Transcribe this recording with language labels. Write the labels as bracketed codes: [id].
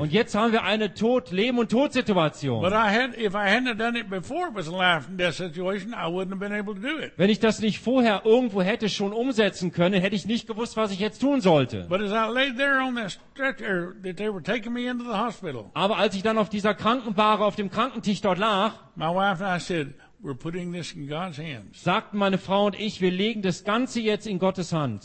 [de] Und jetzt haben wir eine Leben- und Todsituation. [en] But if I hadn't done it before it was a life and death situation, I wouldn't have been able to do it. [de] Wenn ich das nicht vorher irgendwo hätte schon umsetzen können, hätte ich nicht gewusst, was ich jetzt tun sollte. [en] But as I lay there on that stretcher that they were taking me into the hospital. [de] Aber als ich dann auf dieser Krankenwagen auf dem Krankentisch dort lag, [en] my wife and I said, "We're putting this in God's hands." [de] Sagten meine Frau und ich, wir legen das Ganze jetzt in Gottes Hand.